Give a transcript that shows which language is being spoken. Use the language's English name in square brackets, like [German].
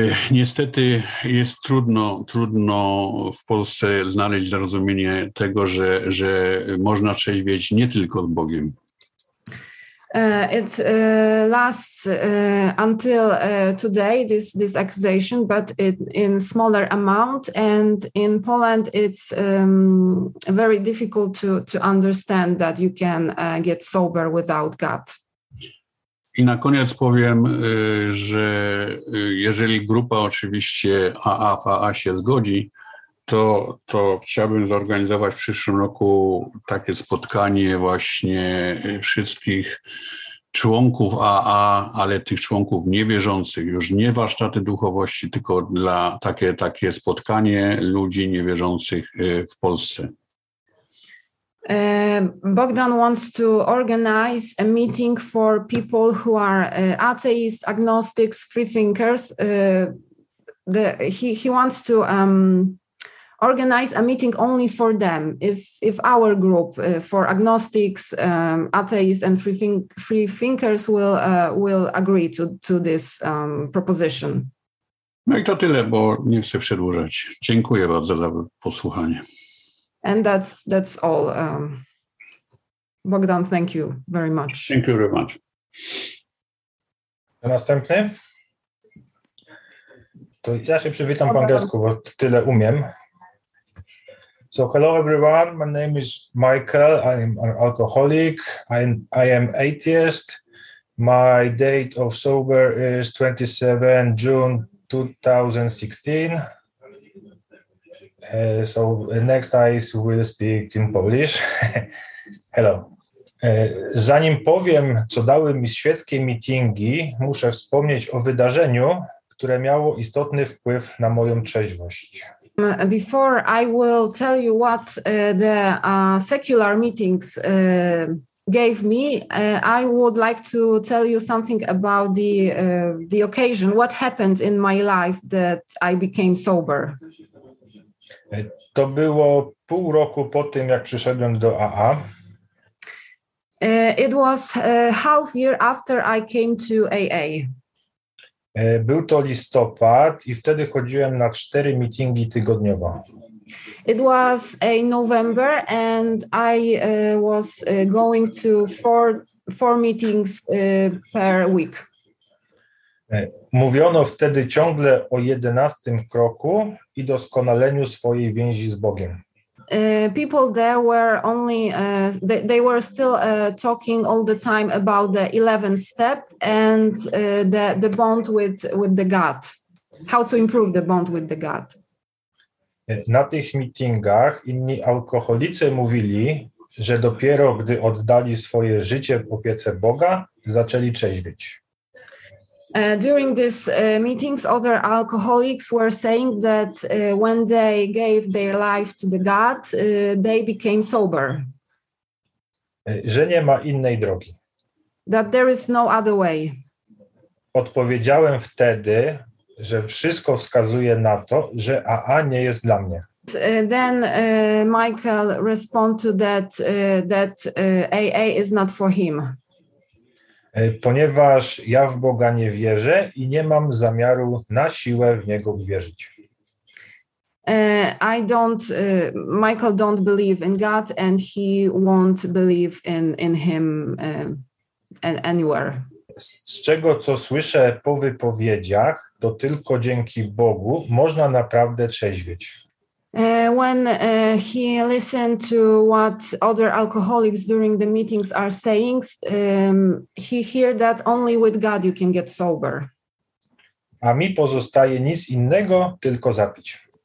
[Polish] Niestety jest trudno w Polsce znaleźć zrozumienie tego, że można trzeźwieć nie tylko z Bogiem. [English] It lasts until today, this accusation, but in smaller amount, and in Poland it's very difficult to understand that you can get sober without God. [Polish] I na koniec powiem, że jeżeli grupa oczywiście AA w AA się zgodzi, to chciałbym zorganizować w przyszłym roku takie spotkanie właśnie wszystkich członków AA, ale tych członków niewierzących, już nie warsztaty duchowości, tylko dla takie spotkanie ludzi niewierzących w Polsce. [English] Bogdan wants to organize a meeting for people who are atheists, agnostics, free thinkers. He wants to organize a meeting only for them. If our group for agnostics, atheists, and free thinkers will agree to this proposition. [Polish] No i to tyle, bo nie chcę przedłużać. Dziękuję bardzo za posłuchanie. [English] And that's all. Bogdan, thank you very much. Thank you very much. [Polish] Następny. To ja się przywitam po angielsku, bo tyle umiem. [English] So, hello everyone, my name is Michael, I'm an alcoholic, I am atheist. My date of sober is 27 June 2016. So next I will speak in Polish. Hello. [Polish] Zanim powiem, co dały mi świeckie meetingi, muszę wspomnieć o wydarzeniu, które miało istotny wpływ na moją trzeźwość. [English] Before I will tell you what the secular meetings gave me, I would like to tell you something about the occasion, what happened in my life that I became sober. [Polish] To było pół roku po tym, jak przyszedłem do AA. [English] It was half year after I came to AA. [Polish] Był to listopad i wtedy chodziłem na 4 meetingi tygodniowo. [English] It was a November and I was going to four meetings per week. [Polish] Mówiono wtedy ciągle o 11 kroku i doskonaleniu swojej więzi z Bogiem. [English] People there were only they were still talking all the time about the 11th step and the bond with the God, how to improve the bond with the God. [Polish] Na tych meetingach inni alkoholicy mówili, że dopiero gdy oddali swoje życie w opiece Boga, zaczęli trzeźwieć. [English] During these meetings, other alcoholics were saying that when they gave their life to the God, they became sober. [Polish] Że nie ma innej drogi. [English] That there is no other way. [Polish] Odpowiedziałem wtedy, że wszystko wskazuje na to, że AA nie jest dla mnie. [English] Then Michael responded to that AA is not for him. [Polish] Ponieważ ja w Boga nie wierzę i nie mam zamiaru na siłę w Niego uwierzyć. [English] Michael don't believe in God and he won't believe in him anywhere. [Polish] Z czego co słyszę po wypowiedziach, to tylko dzięki Bogu można naprawdę trzeźwieć. [English] When he listened to what other alcoholics during the meetings are saying, he hear that only with God you can get sober. [Polish] A mi pozostaje nic innego, tylko zapić.